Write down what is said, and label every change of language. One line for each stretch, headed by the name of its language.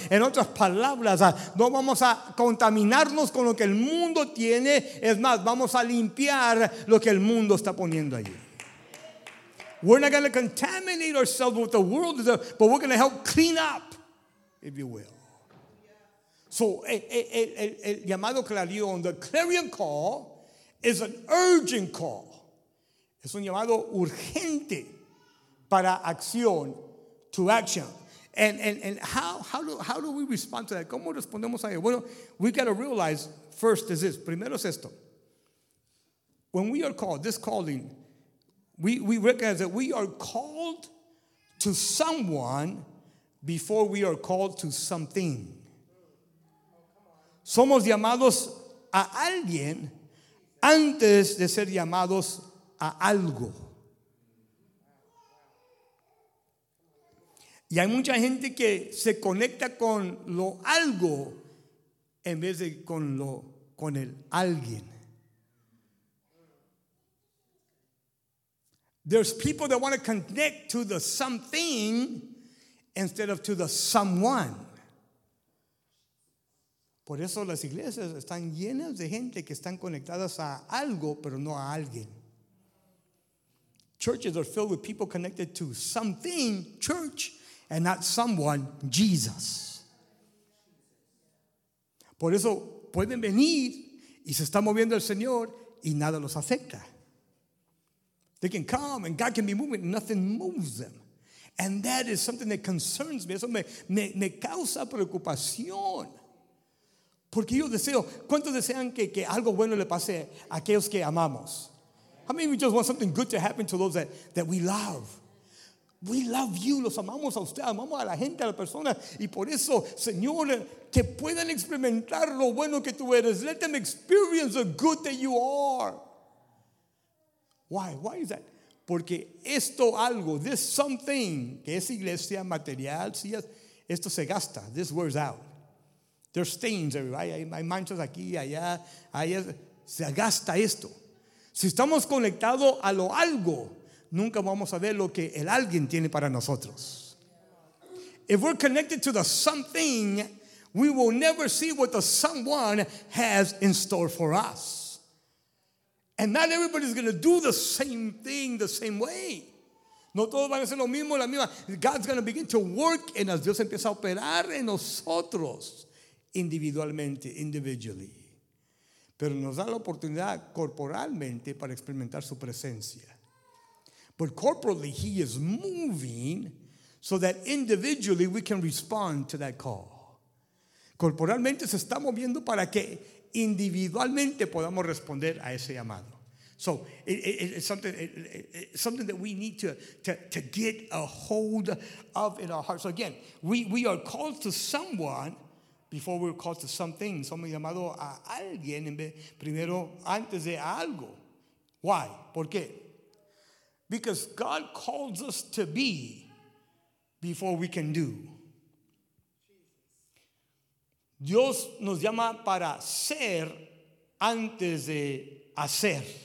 Spanish: En otras palabras, no vamos a contaminarnos con lo que el mundo tiene. Es más, vamos a limpiar lo que el mundo está poniendo allí.
English: We're not going to contaminate ourselves with the world, but we're going to help clean up, if you will. So,
Spanish: el llamado clarion,
English: the clarion call, is an urgent call.
Spanish: Es un llamado urgente para acción,
English: to action. And how do we respond to that?
Spanish: ¿Cómo respondemos a ello? Bueno,
English: we got to realize, first is this.
Spanish: Primero es esto.
English: When we are called, this calling, We recognize that we are called to someone before we are called to something.
Spanish: Somos llamados a alguien antes de ser llamados a algo. Y hay mucha gente que se conecta con lo algo en vez de con lo con el alguien.
English: There's people that want to connect to the something instead of to the someone.
Spanish: Por eso las iglesias están llenas de gente que están conectadas a algo, pero no a alguien.
English: Churches are filled with people connected to something, church, and not someone, Jesus.
Spanish: Por eso pueden venir y se está moviendo el Señor y nada los afecta.
English: They can come and God can be moving, nothing moves them. And that is something that concerns me. Eso me causa preocupación.
Spanish: Porque yo deseo, ¿cuántos desean que algo bueno le pase a aquellos que amamos?
English: How many of you just want something good to happen to those that we love? We love you,
Spanish: los amamos a usted, amamos a la gente, a la persona. Y por eso, Señor, que puedan experimentar lo bueno que tú eres.
English: Let them experience the good that you are.
Spanish: Why is that? Porque esto algo,
English: this something,
Spanish: que es iglesia material, si es, esto se gasta,
English: this wears out. There's stains everywhere.
Spanish: Hay manchas aquí, allá, se gasta esto. Si estamos conectados a lo algo, nunca vamos a ver lo que el alguien tiene para nosotros.
English: If we're connected to the something, we will never see what the someone has in store for us. And not everybody's going to do the same thing the same way.
Spanish: No todos van a hacer lo mismo, la misma.
English: God's going to begin to work in us.
Spanish: Dios empieza a operar en nosotros individualmente,
English: individually.
Spanish: Pero nos da la oportunidad corporalmente para experimentar su presencia.
English: But corporally, he is moving so that individually we can respond to that call.
Spanish: Corporalmente se está moviendo para que individualmente podamos responder a ese llamado.
English: So it's something that we need to get a hold of in our hearts. So again, we are called to someone before we're called to something.
Spanish: Somos llamados a alguien primero antes de algo.
English: Why? ¿Por qué? Because God calls us to be before we can do.
Spanish: Dios nos llama para ser antes de hacer.